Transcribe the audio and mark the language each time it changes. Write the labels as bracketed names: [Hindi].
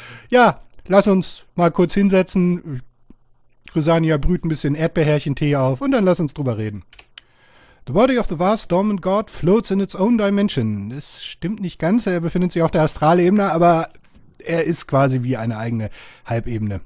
[German] Ja, lass uns mal kurz hinsetzen. Chrysania brüht ein bisschen Erdbeerherrchen-Tee auf und dann lass uns drüber reden. [English] The body of the vast dormant god floats in its own dimension. [German] Das stimmt nicht ganz, er befindet sich auf der Astralebene, aber er ist quasi wie eine eigene Halbebene.